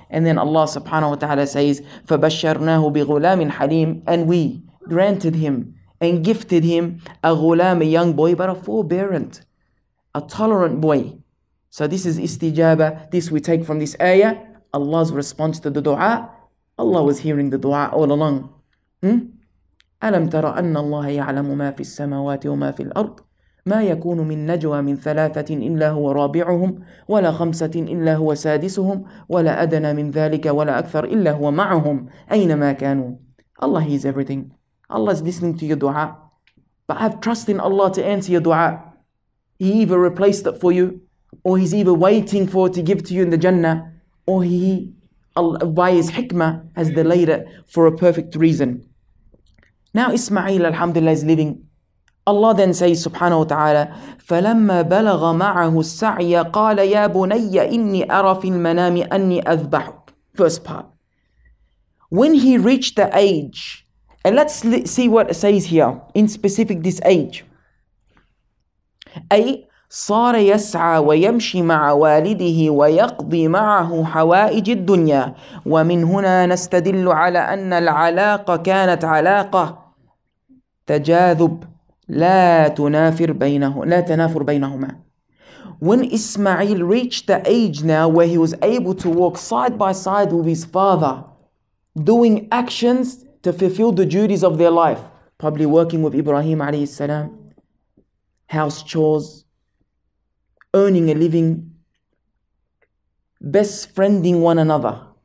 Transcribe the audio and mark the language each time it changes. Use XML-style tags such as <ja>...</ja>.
<en>And then Allah subhanahu wa ta'ala says,</en> <ar>فَبَشَّرْنَاهُ بِغُلَامٍ حَلِيمٍ,</ar> <en>and we granted him and gifted him a ghulam, a young boy, but a forbearant, a tolerant boy. So this is istijaba. This we take from this ayah, Allah's response to the dua. Allah was hearing the dua all along.</en> <ar>أَلَمْ تَرَ أَنَّ اللَّهَ يَعْلَمُ مَا فِي السَّمَاوَاتِ وَمَا فِي الْأَرْضِ ما يكون من نجوى من ثلاثة إلا هو رابعهم ولا خمسة إلا هو سادسهم ولا أدنى من ذلك ولا أكثر إلا هو معهم أينما كانوا.</ar> <en>Allah, He is everything. Allah is listening to your dua. But have trust in Allah to answer your dua. He either replaced it for you, or He's either waiting for it to give to you in the Jannah, or He, by His hikmah, has delayed it for a perfect reason. Now Ismail, alhamdulillah, is living. Allah then says subhanahu wa ta'ala,</en> <ar>فَلَمَّا بَلَغَ مَعَهُ السَّعْيَ قَالَ يَا بُنَيَّ إِنِّي أَرَى فِي الْمَنَامِ أَنِّي أَذْبَحُكَ.</ar> <en>First part. When he reached the age, and let's see what it says here, in specific this age.</en> <ar>أي صار يسعى ويمشي مع والده ويقضي معه حوائج الدنيا. ومن هنا نستدل على أن العلاقة كانت علاقة تجاذب لا تنافر بينهما.</ar> <en>When Ismail reached the age now where he was able to walk side by side with his father, doing actions to fulfill the duties of their life, probably working with Ibrahim alayhi salam, house chores, earning a living, best friending one another.</en>